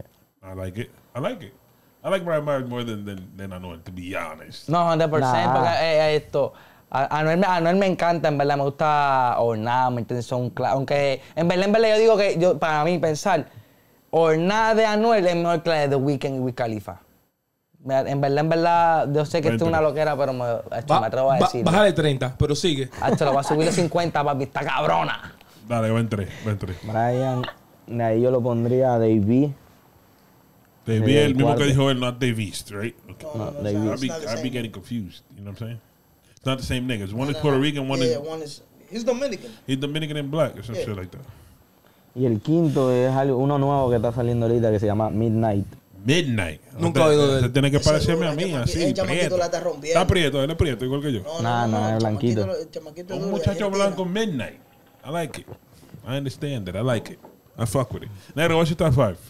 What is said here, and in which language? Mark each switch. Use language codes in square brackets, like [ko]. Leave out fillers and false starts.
[en] I like Brian Myers more than Anuel, to be honest. [es] No, 100%, nah. Porque esto... A Noel me encanta, en verdad, me gusta Ornada, ¿me entiendes? Son clásicos. Aunque en verdad yo digo que yo, para mí pensar, Ornada de Anuel es mejor que la de The Weeknd y Wiz Khalifa. En verdad, yo sé que esto es una loquera, pero me atrevo a decir. Baja de 30, pero sigue. Hasta lo va a subir de 50, papi, está cabrona. Dale, va en tres. Brian, de ahí yo lo pondría a Davey. Davey es el mismo que dijo él, no Davey, [en] right? Okay. [es] No, Davey. [en] I'd be getting confused, you know what I'm saying? It's not the same niggas. One is Puerto Rican, one is... He's Dominican. He's Dominican and black, or some shit like that. [es] Y el quinto es algo, uno nuevo que está saliendo ahorita que se llama Midnight. Nunca he oído de él. Se tiene que parecerme a mí, así, prieto. Está prieto, él es prieto, igual que yo. No, es blanquito. Un muchacho blanco, [en] Midnight. I like it. I understand it. I like it. I fuck with it. Negro, what's your top five?